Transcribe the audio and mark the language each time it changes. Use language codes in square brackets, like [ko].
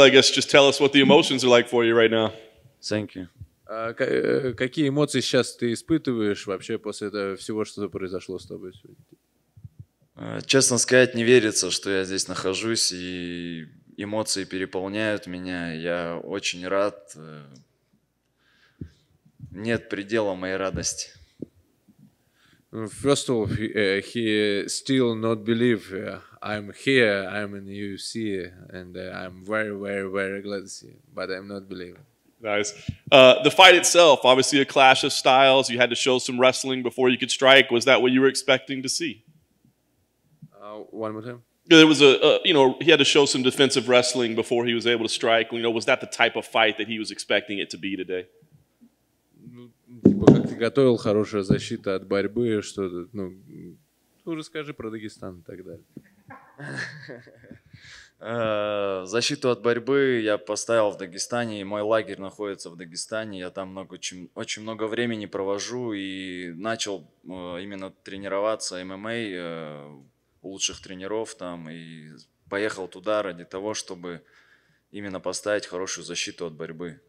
[en] I guess just tell us what the emotions are like for you right now. Thank you. [ru] Какие эмоции сейчас ты испытываешь вообще после всего, что произошло с тобой сегодня? Честно сказать, не верится, что я здесь нахожусь, и эмоции переполняют меня. Я очень рад. Нет предела моей радости. [en] First of all, he still not believe I'm here, I'm in the UFC, and I'm very, very, very glad to see you, but I'm not believing. Nice. The fight itself, obviously a clash of styles. You had to show some wrestling before you could strike. Was that what you were expecting to see? One more time. There was he had to show some defensive wrestling before he was able to strike. You know, was that the type of fight that he was expecting it to be today? [ru] Как ты готовил хорошую защиту от борьбы, что ну расскажи про Дагестан и так далее. Защиту от борьбы я поставил в Дагестане, и мой лагерь находится в Дагестане. Я там очень много времени провожу и начал именно тренироваться ММА у лучших тренеров там и поехал туда ради того, чтобы именно поставить хорошую защиту от борьбы.